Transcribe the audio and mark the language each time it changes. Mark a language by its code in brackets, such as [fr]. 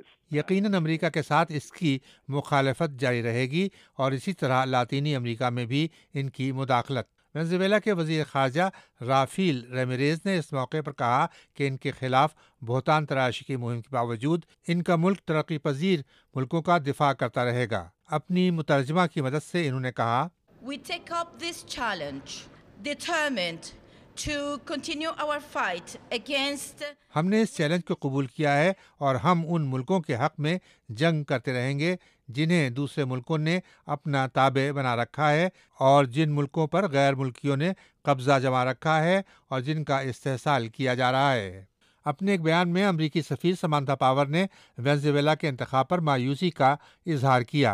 [ur] یقیناً امریکہ کے ساتھ اس کی مخالفت جاری رہے گی, اور اسی طرح لاطینی امریکہ میں بھی ان کی مداخلت. وینزویلا کے وزیر خارجہ رافیل ریمیریز نے اس موقع پر کہا کہ ان کے خلاف بہتان تراشی کی مہم کے باوجود ان کا ملک ترقی پذیر ملکوں کا دفاع کرتا رہے گا. اپنی مترجمہ کی مدد سے انہوں نے کہا, [en] We take up this challenge determined to continue our fight against, [ur] ہم نے اس چیلنج کو قبول کیا ہے اور ہم ان ملکوں کے حق میں جنگ کرتے رہیں گے جنہیں دوسرے ملکوں نے اپنا تابع بنا رکھا ہے, اور جن ملکوں پر غیر ملکیوں نے قبضہ جما رکھا ہے اور جن کا استحصال کیا جا رہا ہے. اپنے ایک بیان میں امریکی سفیر سمانتھا پاور نے وینزویلا کے انتخاب پر مایوسی کا اظہار کیا.